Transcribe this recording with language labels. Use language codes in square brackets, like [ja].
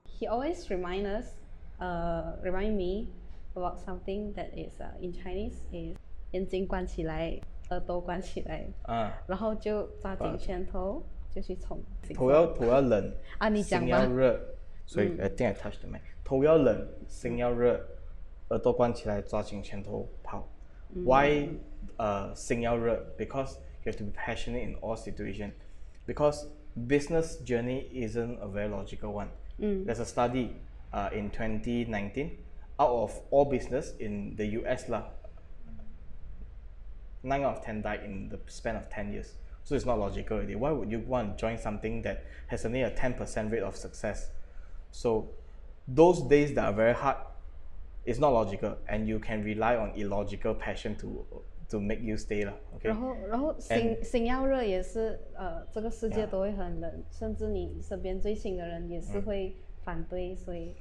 [en] He always remind me about something that is in Chinese is [zh] 眼睛关起来, 耳朵关起来, 然后就抓紧拳头就去冲, 头要冷, 啊, 你讲吧? 心要热, 所以, [en] I think I touched the mic. [zh] 头要冷, 心要热, 耳朵关起来, 抓紧拳头, 跑。 Why 心要热? [en] Because you have to be passionate in all situations. Because business journey isn't a very logical one. There's a study in 2019. Out of all business in the US, 9 out of 10 died in the span of 10 years. So it's not logical. Really. Why would you want to join something that has only a 10% rate of success? So those days that are very hard, it's not logical. And you can rely on illogical passion to make you stay. Okay? [zh] 然后心要热也是, 这个世界都会很冷, 甚至你身边最亲的人也是会 反对, 所以